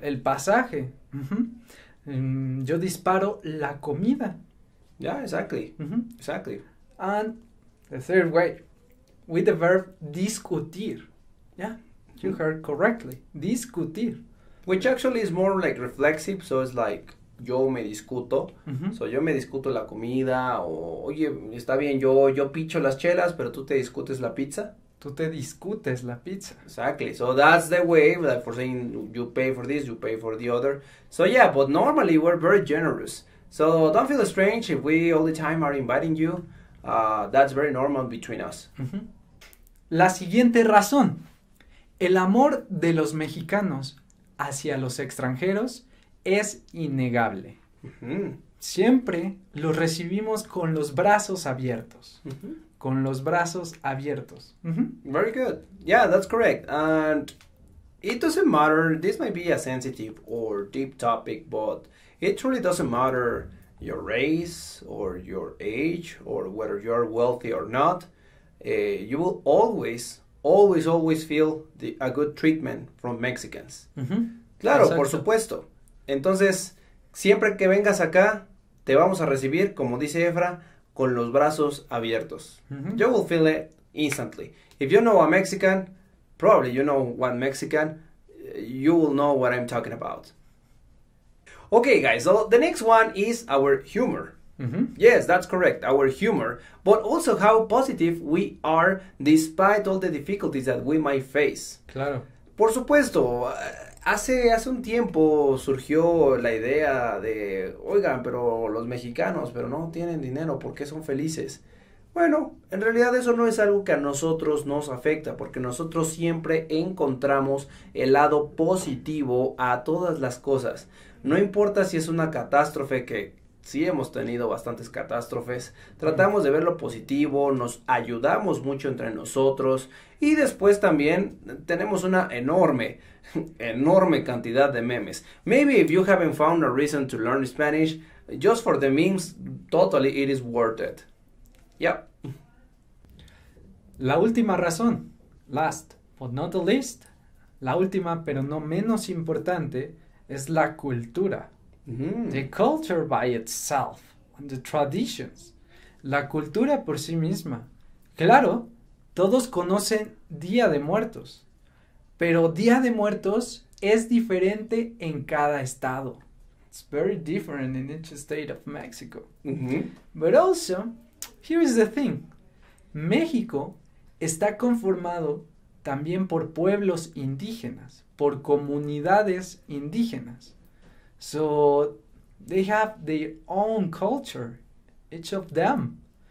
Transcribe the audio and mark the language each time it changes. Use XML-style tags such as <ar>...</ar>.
<es>El pasaje. Uh-huh. Yo disparo la comida.</es> <en>Yeah, exactly. Uh-huh. Exactly. And the third way, with the verb discutir. Yeah, you heard correctly. Discutir. Which actually is more like reflexive, so it's like...</en> <es>Yo me discuto, so yo me discuto la comida, o oye, está bien, yo picho las chelas, pero tú te discutes la pizza. Tú te discutes la pizza.</es> <en>Exactly, so that's the way, like for saying you pay for this, you pay for the other. So yeah, but normally we're very generous. So don't feel strange if we all the time are inviting you. That's very normal between us.</en> <es>La siguiente razón. El amor de los mexicanos hacia los extranjeros es innegable. Siempre los recibimos con los brazos abiertos. Con los brazos abiertos.</es> <en>Very good. Yeah, that's correct. And it doesn't matter. This might be a sensitive or deep topic, but it truly doesn't matter your race or your age or whether you're wealthy or not. You will always feel a good treatment from Mexicans.</en> <es>Claro, exacto. Por supuesto. Entonces, siempre que vengas acá, te vamos a recibir, como dice Efra, con los brazos abiertos.</es> <en>You will feel it instantly. If you know a Mexican, probably you know one Mexican, you will know what I'm talking about. Okay, guys, so the next one is our humor. Yes, that's correct, our humor. But also how positive we are despite all the difficulties that we might face.</en> <es>Claro. Por supuesto. Hace un tiempo surgió la idea de, oigan, pero los mexicanos, pero no tienen dinero, ¿por qué son felices? Bueno, en realidad eso no es algo que a nosotros nos afecta, porque nosotros siempre encontramos el lado positivo a todas las cosas. No importa si es una catástrofe, que sí hemos tenido bastantes catástrofes, tratamos de ver lo positivo, nos ayudamos mucho entre nosotros, y después también tenemos una enorme cantidad de memes.</es> <en>Maybe if you haven't found a reason to learn Spanish, just for the memes, totally it is worth it. Yep.</en> <es>La última razón,</es> <en>last but not the least,</en> <es>la última pero no menos importante, es la cultura.</es> <en>The culture by itself, and the traditions,</en> <es>la cultura por sí misma. Claro, todos conocen Día de Muertos. Pero Día de Muertos es diferente en cada estado.</es> <en>It's very different in each state of Mexico. Mm-hmm. But also, here is the thing.</en> <es>México está conformado también por pueblos indígenas, por comunidades indígenas.</es> <en>So, they have their own culture, each of them.</en>